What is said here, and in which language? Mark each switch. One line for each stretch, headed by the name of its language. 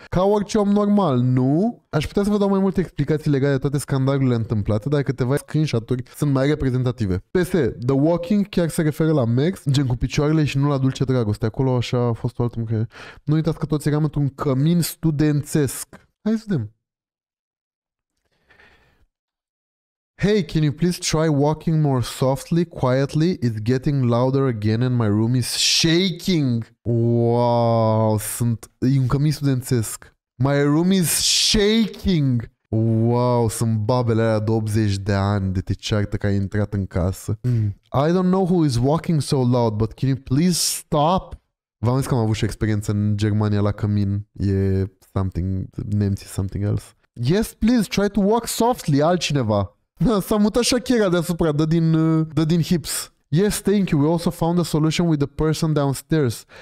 Romanian: Ca orice om normal, nu? Aș putea să vă dau mai multe explicații legate de toate scandalurile întâmplate, dar câteva screenshot-uri sunt mai reprezentative. PS, The Walking chiar se referă la mers, gen cu picioarele și nu la dulce dragoste. Acolo așa a fost o altă mâncare. Nu uitați că toți eram într-un cămin studențesc. Hai să vedem.
English: Hey, can you please try walking more softly, quietly? It's getting louder again and my room is shaking.
Romanian: Wow, sunt un cămin studențesc.
English: My room is shaking.
Romanian: Wow, sunt babele alea de 80 de ani de te ceartă că ai intrat în casă.
English: I don't know who is walking so loud, but can you please stop?
Romanian: V-am zis că am avut și experiență în Germania la cămin. E something, nemții something else.
English: Yes, please, try to walk softly,
Romanian: altcineva. Da, s-a mutat Shakira deasupra, dă din hips.
English: Yes, thank you. We also found a solution with the person downstairs.